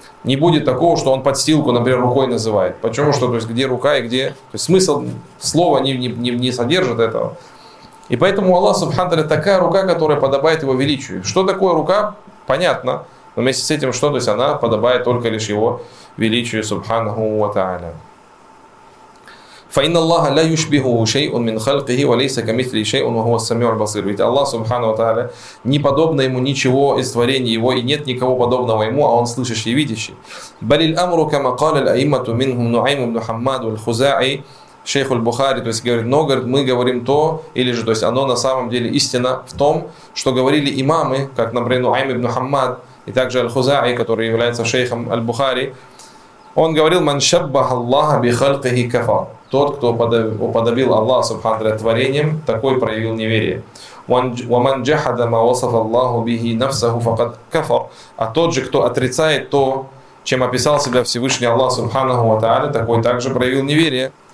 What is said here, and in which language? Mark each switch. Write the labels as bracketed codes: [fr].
[ru] Не будет такого, что он подстилку, например, рукой называет. Почему? Что, то есть, где рука и где... То есть, смысл слова не содержит этого. И поэтому у Аллаха Субхану Тааля такая рука, которая подобает его величию. Что такое рука? Понятно. Но вместе с этим что? То есть, она подобает только лишь его величию, Субхану ва Тааля. [ar] فإن الله لا يشبهه شيء من خلقه وليس كمثله شيء وهو السميع البصير. [ru] Ведь Аллах Субхану ва Тааля не подобно ему ничего из творения его и нет никого подобного ему, а он слышащий и видящий. [ar] بل الأمر كما قال الأئمة منهم نعيم بن حماد والخزاعي شيخ البخاري. [ru] То есть говорит, но говорит, мы говорим то, или же, то есть оно на самом деле истина в том, что говорили имамы, как например Нуайм ибн Хаммад и также Аль-Хузаи, который является шейхом Аль-Бухари. Он говорил: [ar] من شبه الله بخلقه كفر. [ru] Тот, кто уподобил Аллаха Субхану Тааля творением, такой проявил неверие. [ar] وَمَنْ جَحَدَ مَا وَصَفَ اللَّهُ بِهِ نَفْسَهُ فَقَدْ كَفَرْ. [ru] А тот же, кто отрицает то, чем описал себя Всевышний Аллах Субхану Тааля, такой также проявил неверие.